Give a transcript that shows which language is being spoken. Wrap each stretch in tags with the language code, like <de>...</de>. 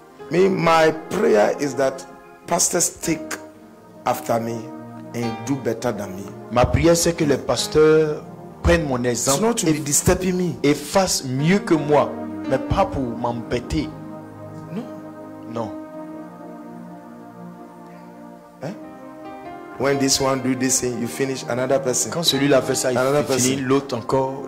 <en>my prayer is that pastors take after me and do better than me.</en> <fr>Ma prière c'est que les pasteurs prennent mon exemple.</fr> <en>It's not to be disturbing me.</en> <fr>Et fassent mieux que moi, mais pas pour m'embêter. Non. Hein?</fr> <en>When this one do this thing, you finish another person.</en> <fr>Quand celui-là fait ça, il finit l'autre encore.</fr>